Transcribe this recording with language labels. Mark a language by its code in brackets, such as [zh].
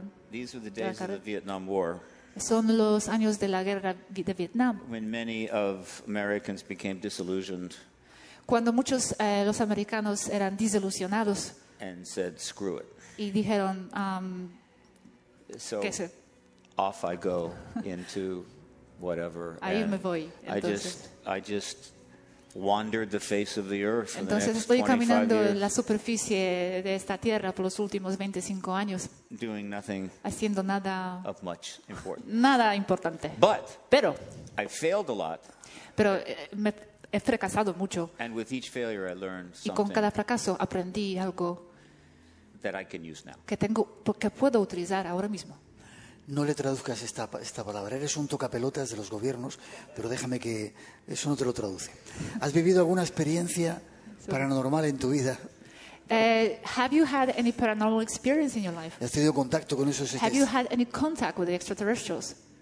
[en] These were the days of the Vietnam War. [es] Son los años de la guerra de Vietnam. [en] When many of Americans became disillusioned. [es] Cuando muchos los americanos eran desilusionados. [en] And said screw it. [es] Y dijeron. [en] So off I go into whatever. [es] Ahí me voy. [en] I just wandered the face of the earth. [es] Entonces estoy caminando en la superficie de esta tierra por los últimos 25 años. [en] Doing nothing. [es] Haciendo nada. [en] Of much importance. [es] Nada importante. [en] Pero. I failed a lot. [es] Pero me he fracasado mucho. [en] And with each failure, I learned something. [es] Y con cada fracaso aprendí algo. [en] That I can use now. [es] Que tengo, porque puedo utilizar ahora mismo. No le traduzcas esta palabra. Eres un tocapelotas de los gobiernos, pero déjame que eso no te lo traduce. ¿Has vivido alguna experiencia paranormal en tu vida? [en] Have you had any paranormal experience in your life? [es] ¿Has tenido contacto con esos seres? [en] Have you had any contact with the extraterrestrials?